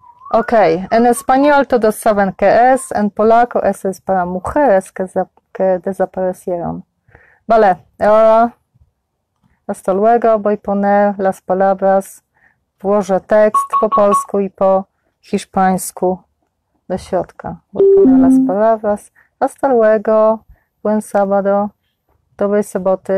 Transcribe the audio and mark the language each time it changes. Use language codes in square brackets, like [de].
[es] Okej, en español todos saben que es, en polaco eso es para mujeres que desaparecieron. Vale, ahora hasta luego, voy a poner las palabras, [pl] włożę tekst po polsku i po hiszpańsku do środka. [es] Voy a poner las palabras, hasta luego, buen sábado, [pl] dobrej soboty.